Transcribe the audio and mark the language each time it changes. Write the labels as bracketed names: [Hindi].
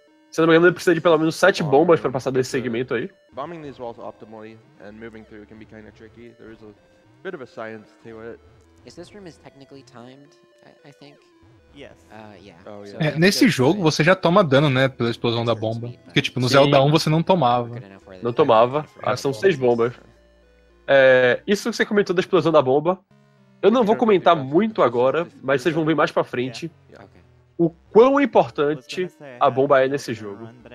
[Portuguese] Se não me engano, ele precisa de pelo menos 7 bombas pra passar desse segmento aí. [English] Bombing these walls optimally and moving through can be kind of tricky. There is a bit of a science to it. Is this room is technically timed, I think? Yes. Yeah. [Portuguese] Nesse jogo você já toma dano, né, pela explosão da bomba. Porque tipo, no Zelda 1 você não tomava. Não tomava. Ah, são 6 bombas. É, isso que você comentou da explosão da bomba. Eu não vou comentar muito agora, mas vocês vão ver mais pra frente o quão importante a bomba é nesse jogo.